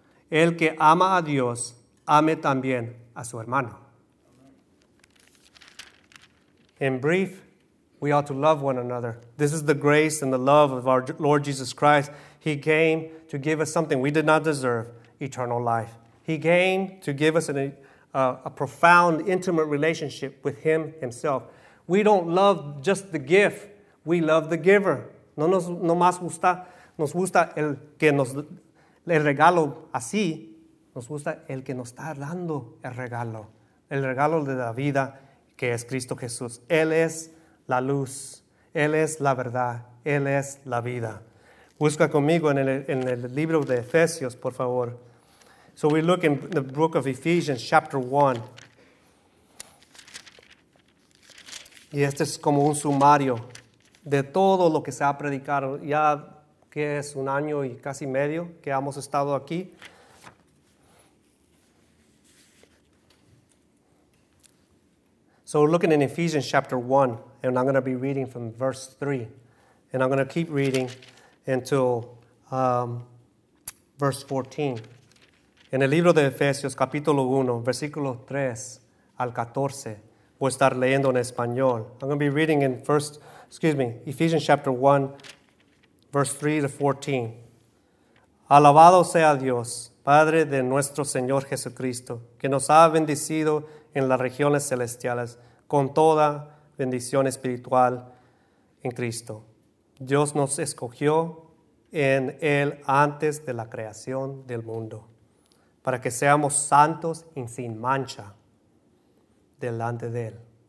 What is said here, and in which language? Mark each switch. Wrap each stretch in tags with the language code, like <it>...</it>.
<es>El que ama a Dios, ame también a su hermano.</es> <en>In brief, we ought to love one another. This is the grace and the love of our Lord Jesus Christ. He came to give us something we did not deserve, eternal life. He came to give us a profound, intimate relationship with Him Himself. We don't love just the gift. We love the giver.</en> <es>No más nos gusta el que nos el regalo así. Nos gusta el que nos está dando el regalo de la vida, que es Cristo Jesús. Él es la luz, Él es la verdad, Él es la vida. Busca conmigo en el libro de Efesios, por favor.</es> <en>So we look in the book of Ephesians, chapter 1.</en> <es>Y este es como un sumario de todo lo que se ha predicado. Ya que es un año y casi medio que hemos estado aquí.</es> <en>So we're looking in Ephesians chapter 1, and I'm going to be reading from verse 3. And I'm going to keep reading until verse 14.</en> <es>En el libro de Efesios, capítulo 1, versículo 3 al 14, voy a estar leyendo en español.</es> <en>I'm going to be reading Ephesians chapter 1, verse 3 to 14.</en> <es>Alabado sea Dios, Padre de nuestro Señor Jesucristo, que nos ha bendecido en las regiones celestiales, con toda bendición espiritual en Cristo. Dios nos escogió en Él antes de la creación del mundo, para que seamos santos y sin mancha delante de Él.</es>